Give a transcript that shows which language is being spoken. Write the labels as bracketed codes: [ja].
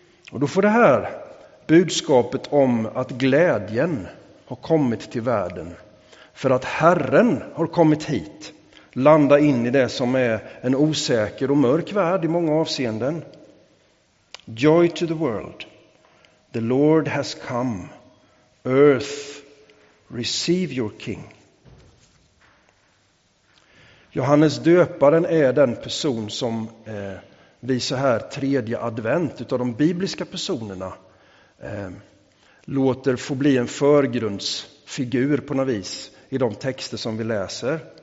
[sv] Och då får det här budskapet om att glädjen har kommit till världen. För att Herren har kommit hit. Landa in i det som är en osäker och mörk värld i många avseenden. [en] Joy to the world. The Lord has come. Earth, receive your king. [sv] Johannes döparen är den person som vi så här tredje advent utav de bibliska personerna låter få bli en förgrundsfigur på något vis i de texter som vi läser.